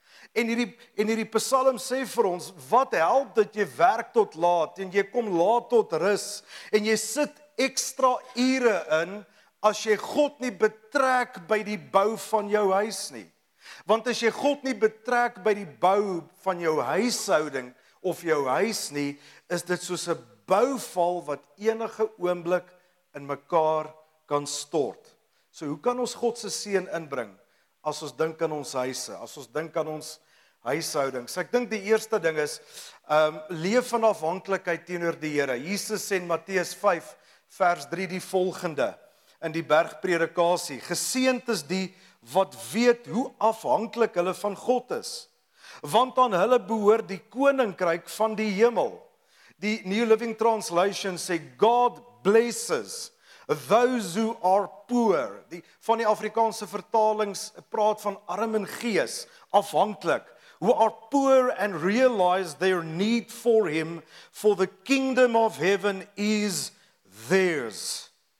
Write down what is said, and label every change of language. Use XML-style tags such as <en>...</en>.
<af>En hierdie psalm sê vir ons, wat help dat jy werk tot laat, en jy kom laat tot rus, en jy sit extra ure in, as jy God nie betrek by die bou van jou huis nie. Want as jy God nie betrek by die bou van jou huishouding, of jou huis nie, is dit soos 'n bouval wat enige oomblik in mekaar kan stort. So hoe kan ons God se seën inbring? As ons dink aan ons huise, as ons dink aan ons huishoudings. Ek dink die eerste ding is, leef van afhanklikheid teenoor die Here. Jesus sê in Matteus 5 vers 3 die volgende, in die bergpredikasie, geseend is die wat weet hoe afhanklik hulle van God is, want aan hulle behoort die koninkryk van die hemel.</af> <en>Die New Living Translation sê, God blesses those who are poor.</en> <af>Die, van die Afrikaanse vertalings praat van arm in gees, afhanklik.</af> <en>Who are poor and realize their need for him, for the kingdom of heaven is theirs.</en>